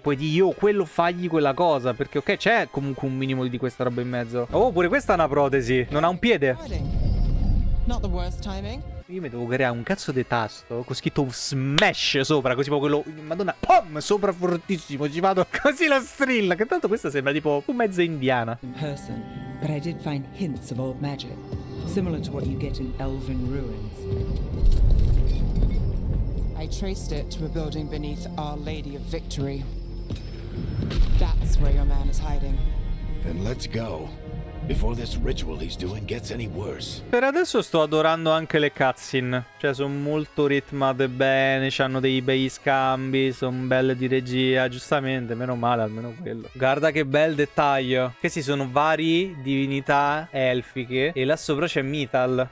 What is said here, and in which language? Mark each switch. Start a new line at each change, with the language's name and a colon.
Italian: Puoi dire, io quello fagli quella cosa. Perché, ok, c'è comunque un minimo di questa roba in mezzo. Oh, pure questa è una protesi. Non ha un piede. Not the worst timing. Io mi devo creare un cazzo di tasto con scritto smash sopra, così proprio quello, madonna, pom, sopra fortissimo. Ci vado così la strilla. Che tanto questa sembra tipo un mezzo indiana.
English: In person, but I did find hints of old magic similar to what you get in elven ruins. I traced it to a building beneath Our Lady of Victory. That's where your man is hiding. Then let's go before this ritual he's doing gets any worse.
Italian: Per adesso sto adorando anche le cutscene. Cioè sono molto ritmate bene, c'hanno dei bei scambi, sono belle di regia, giustamente, meno male almeno quello. Guarda che bel dettaglio. Questi sono vari divinità elfiche e là sopra c'è Mithal.